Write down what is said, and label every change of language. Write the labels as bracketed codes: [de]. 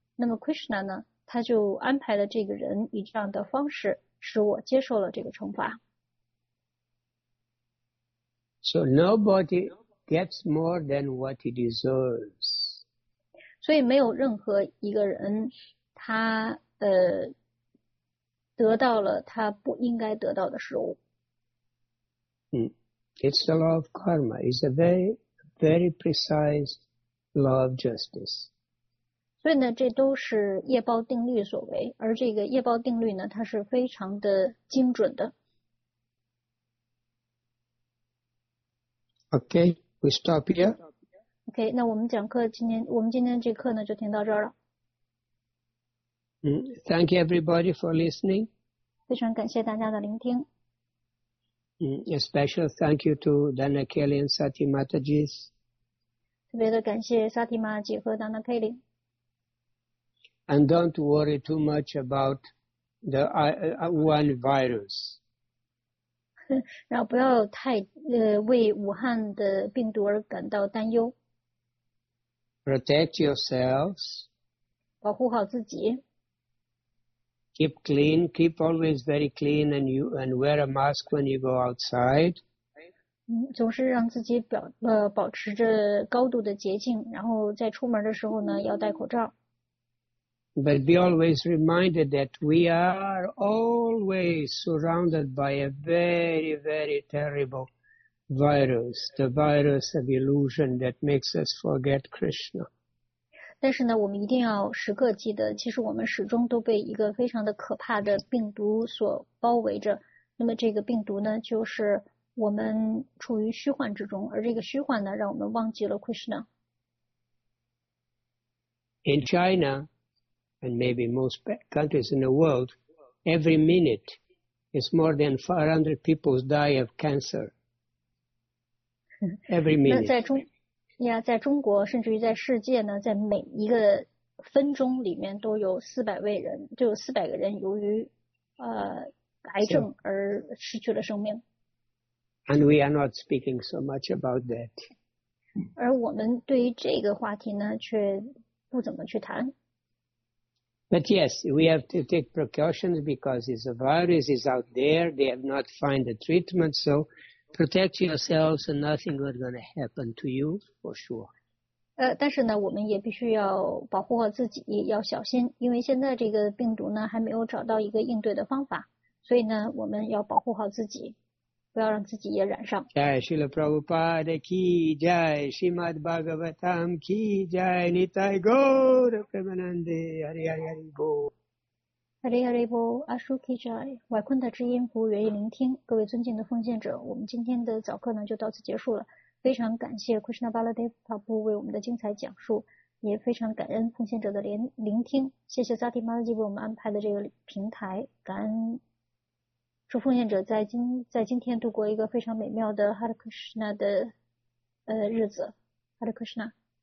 [zh] 那么 Krishna 呢，他就安排了这个人以这样的方式使我接受了这个惩罚。 [en] So nobody gets more than what he deserves. [zh] 所以没有任何一个人。他得到了他不应该得到的事物。 [en] It's the law of karma. It's a very, very precise law of justice. [zh] 所以呢，这都是业报定律所为，而这个业报定律呢，它是非常的精准的。 [en] Okay, we stop here. [zh] Okay, 那我们讲课今天这课呢就停到这儿了。 [en] Thank you everybody for listening. [zh] 非常感谢大家的聆听。 [en] A special thank you to Danakeli and Sati Mataji. [zh] 特别的感谢 Sati Mataji 和 Danakeli。 [en] And don't worry too much about the one virus. [zh] 然后不要太为武汉的病毒而感到担忧。 [en] Protect yourselves. [zh] 保护好自己。 [en] Keep clean, keep always very clean and wear a mask when you go outside. [zh] 总是让自己保持着高度的洁净，然后在出门的时候呢，要戴口罩。 [en] But be always reminded that we are always surrounded by a very, very terrible virus, the virus of illusion that makes us forget Krishna. [zh] 但是呢，我们一定要时刻记得，其实我们始终都被一个非常的可怕的病毒所包围着。那么这个病毒呢，就是我们处于虚幻之中，而这个虚幻呢，让我们忘记了 Krishna。 [en] In China, and maybe most countries in the world, every minute is more than 400 people die of cancer. Every minute. [zh] 在中国甚至于在世界呢在每一个分钟里面都有400个人由于癌症而失去了生命。 [en] And we are not speaking so much about that. [zh] 而我们对于这个话题呢却不怎么去谈。 [en] But yes, we have to take precautions because it's a virus is out there, they have not found the treatment, so... Protect yourselves, and nothing is going to happen to you for sure. [zh] 但是呢，我们也必须要保护好自己，要小心，因为现在这个病毒呢还没有找到一个应对的方法，所以呢，我们要保护好自己，不要让自己也染上。 [sa] Jai Srila Prabhupada ki jai, Srimad Bhagavatam ki jai, Nitai Gaura Premanande, Hari Hari Hari Bo. Hare Hare Bo, Ashu Kijai, Vaikuntha 之音服务愿意聆听。 [zh] 各位尊敬的奉献者，我们今天的早课呢就到此结束了。非常感谢 Krishna Baladev Prabhu 为我们的精彩讲述，也非常感恩奉献者的聆听。谢谢 Sati Mataji 为我们安排的这个平台，感恩祝奉献者在今天度过一个非常美妙的 Hare Krishna 的日子。Hare Krishna。